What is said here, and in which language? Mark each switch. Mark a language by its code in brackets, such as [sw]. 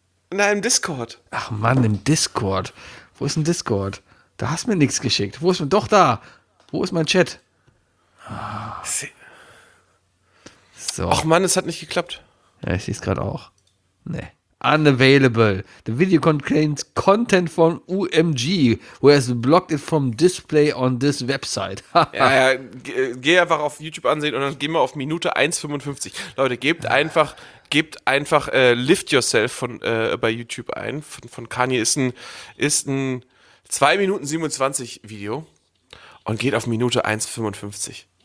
[de] Na, im Discord. Ach Mann, im Discord. Wo ist ein Discord? Da hast du mir nichts geschickt. Wo ist mein. Doch da. Wo ist mein Chat? Ah. So. Ach Mann, es hat nicht geklappt. Ja, ich sehe es gerade auch. Nee. [en] unavailable. The video contains content from UMG, who has blocked it from display on this website. [de] Ja, geh einfach auf YouTube ansehen und dann gehen wir auf Minute 1,55. Leute, gebt einfach Lift Yourself von bei YouTube ein. Von Kanye ist ein 2 Minuten 27 Video und geht auf Minute 1,55.